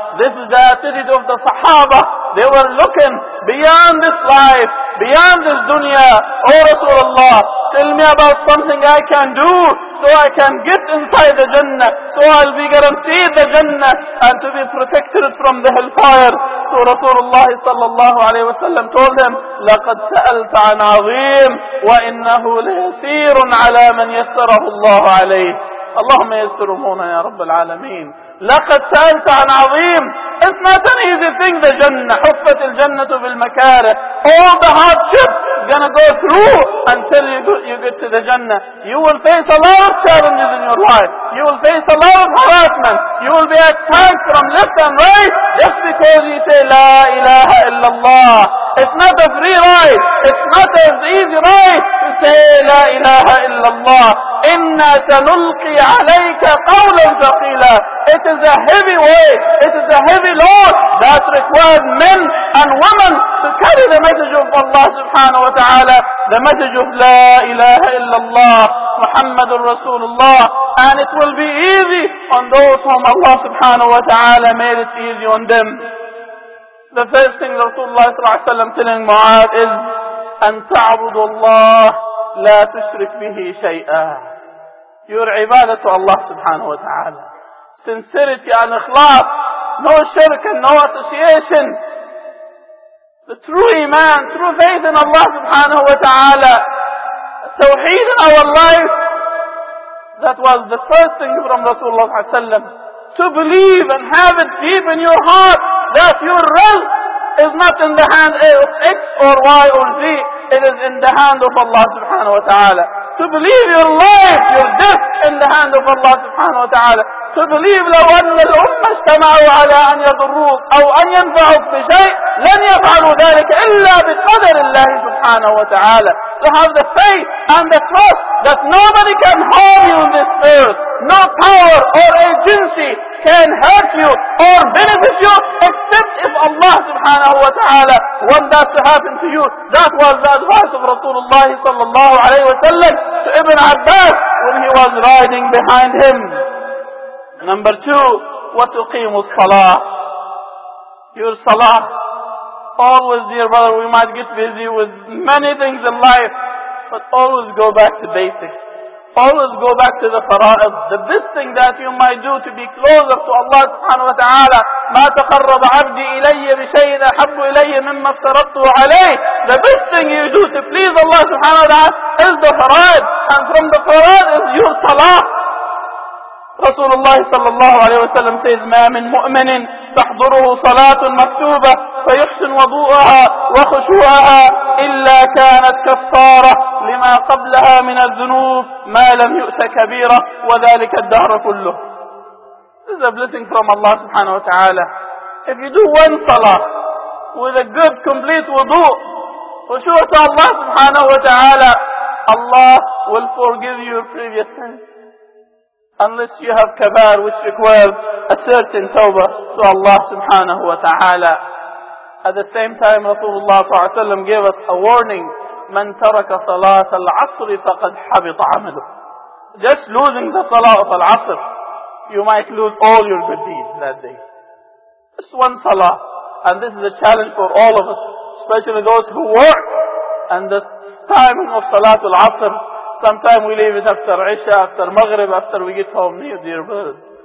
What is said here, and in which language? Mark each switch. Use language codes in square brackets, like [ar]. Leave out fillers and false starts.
[en] This is the attitude of the Sahaba. They were looking beyond this life, beyond this dunya. Oh Rasulullah, tell me about something I can do so I can get inside the Jannah, so I'll be guaranteed the Jannah and to be protected from the hellfire. So Rasulullah sallallahu alayhi wa sallam told him, [ar] لَقَدْ سَأَلْتَ عَنْ عَظِيمٌ وَإِنَّهُ لَيَسِيرٌ عَلَى مَنْ يَسَّرَهُ اللَّهُ عَلَيْهِ. اللهم يسرهونا يا رب العالمين. لقد سألت عن عظيم. [en] It's not an easy thing, the Jannah. [ar] حفت الجنة بالمكاره. [en] All the hardship is gonna go through until you get to the Jannah. You will face a lot of challenges in your life. You will face a lot of harassment. You will be attacked from left and right just because you say [ar] لا إله إلا الله. [en] It's not a free ride. It's not an easy ride to say [ar] لا إله إلا الله. إِنَّا سَنُلْقِي عَلَيْكَ قَوْلًا ثَقِيلًا. [en] It is a heavy way, it is a heavy load that requires men and women to carry the message of Allah subhanahu wa ta'ala, the message of [ar] لا إله إلا الله محمد رسول الله. [en] And it will be easy on those whom Allah subhanahu wa ta'ala made it easy on them. The first thing Rasulullah sallallahu alayhi wa sallam telling Mu'adh is [ar] أَنْ تَعْبُدُ اللَّهِ لا تشرك به شيئا. Your عبادة الله سبحانه وتعالى. [en] Sincerity and ikhlas. No shirk and no association. The true iman, true faith in Allah سبحانه وتعالى. التوحيد in our life. That was the first thing from Rasulullah صلى الله عليه وسلم. To believe and have it deep in your heart that your rizq is not in the hand of X or Y or Z. It is in the hand of Allah subhanahu wa ta'ala. To believe your life, your death in the hand of Allah subhanahu wa ta'ala. To believe [ar] لو أن الأمة اجتمعوا على أن يضروك أو أن ينفعوك بشيء لن يفعلوا ذلك إلا بقدر الله سبحانه وتعالى. [en] To have the faith and the trust that nobody can harm you on this earth. No power or agency can hurt you or benefit you except if Allah subhanahu wa ta'ala want that to happen to you. That was the advice of Rasulullah sallallahu alayhi wa sallam to Ibn Abbas when he was riding behind him. Number two, [ar] وَتُقِيمُ الصَّلَاةِ. [en] Your salah. Always, dear brother, we might get busy with many things in life, but always go back to basics. always go back to the fara'id. The best thing that you might do to be closer to Allah subhanahu wa ta'ala, [ar] مَا تَقَرَّبَ عَبْدِي إِلَيَّ بِشَيْءٍ أَحَبُّ إِلَيَّ مِمَّا افْتَرَضْتُ عَلَيْهِ. [en] The best thing you do to please Allah subhanahu wa ta'ala is the fara'id. And from the fara'id is your salah. Rasulullah sallallahu alayhi wa sallam says, [ar] مَا مِن مُؤْمَنٍ تَحْضُرُهُ صَلَاةٌ مَكْتُوبَةٌ فيحسن وضوءها وخشوعها إلا كانت كفارة لما قبلها من الذنوب ما لم يؤت كبيرة وذلك الدهر كله. [en] This is a blessing from Allah subhanahu wa ta'ala. If you do one salah with a good complete wudu, خشوع to Allah subhanahu wa ta'ala, Allah will forgive your previous sins. Unless you have kabar, which requires a certain tawbah to Allah subhanahu wa ta'ala. At the same time, Rasulullah صلى الله عليه وسلم gave us a warning: [ar] "من ترك صلاة العصر فقد حبط عمله." [en] Just losing the salah of al-asr, you might lose all your good deeds that day. Just one salah, and this is a challenge for all of us, especially those who work. And the timing of salat al-asr, sometimes we leave it after Isha, after Maghrib, after we get home near dear bird.